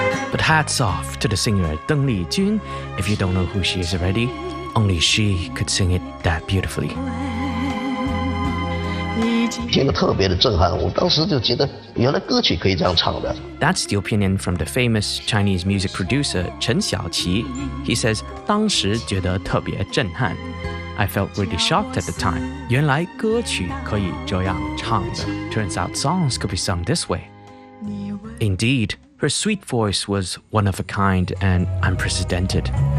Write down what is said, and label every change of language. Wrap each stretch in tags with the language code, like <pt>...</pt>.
<en>But hats off to the singer Deng Lijun. If you don't know who she is already, only she could sing it that beautifully. That's the opinion from the famous Chinese music producer Chen Xiaoqi. He says,</en> <zh>当时觉得特别震撼.</zh> <en>I felt really shocked at the time.</en> <zh>原来歌曲可以这样唱的.</zh> <en>Turns out songs could be sung this way. Indeed, her sweet voice was one of a kind and unprecedented.</en>